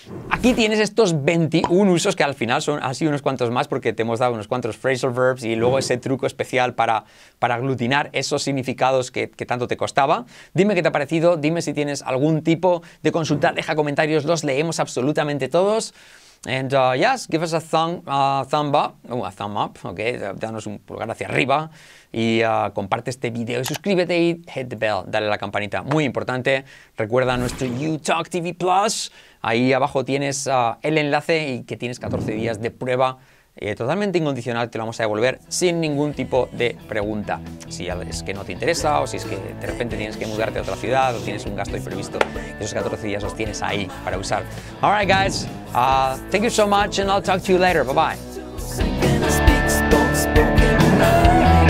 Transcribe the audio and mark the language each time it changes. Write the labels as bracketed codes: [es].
[es] Aquí tienes estos 21 usos que al final han sido unos cuantos más porque te hemos dado unos cuantos phrasal verbs y luego ese truco especial para aglutinar esos significados que tanto te costaba. Dime qué te ha parecido, dime si tienes algún tipo de consulta, deja comentarios, los leemos absolutamente todos. [en] And yes, give us a thumb up, okay? [es] Danos un pulgar hacia arriba y comparte este video, suscríbete y [en] hit the bell, [es] dale a la campanita, muy importante. Recuerda nuestro Utalk TV Plus, ahí abajo tienes el enlace y que tienes 14 días de prueba totalmente incondicional, te lo vamos a devolver sin ningún tipo de pregunta. Si es que no te interesa o si es que de repente tienes que mudarte a otra ciudad o tienes un gasto imprevisto, esos 14 días los tienes ahí para usar. [en] All right, guys. Thank you so much and I'll talk to you later. Bye-bye.